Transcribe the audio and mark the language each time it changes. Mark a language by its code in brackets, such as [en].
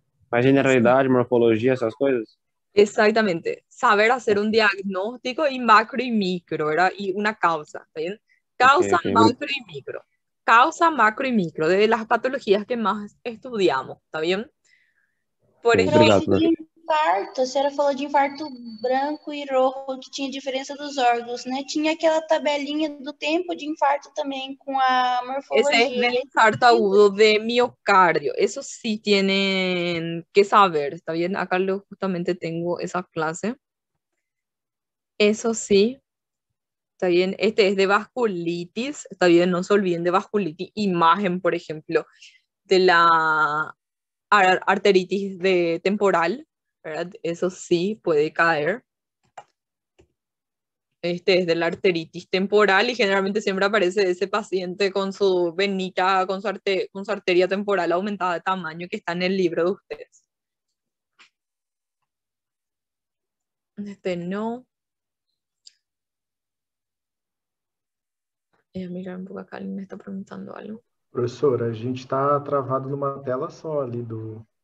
[es] Más generalidad, sí. Morfología, esas cosas. Exactamente. Saber hacer un diagnóstico y macro y micro, ¿verdad? Y una causa, ¿está bien? Causa, okay. Macro y micro. Causa, macro y micro. De las patologías que más estudiamos, ¿está bien? Por ejemplo... [pt] Obrigado. Infarto, a senhora falou de infarto branco e rojo, que tinha diferença dos órgãos, né? Tinha aquela tabelinha do tempo de infarto também com a morfologia. Esse é o infarto agudo de miocárdio. Isso sim, [es] tienen que saber, [pt] tá bem? Acá eu justamente tenho essa classe. Isso sim, tá bem? Este é de vasculitis, tá bem? Não se olviden de vasculitis. Imagem, por exemplo, [es] de la arteritis de temporal. ¿Verdad? Eso sí puede caer. Este es de la arteritis temporal y generalmente siempre aparece ese paciente con su venita, con su arteria temporal aumentada de tamaño que está en el libro de ustedes. Este no. Voy a mirar un poco acá, alguien me está preguntando algo. [pt] Profesora, a gente está travado numa tela só ali do...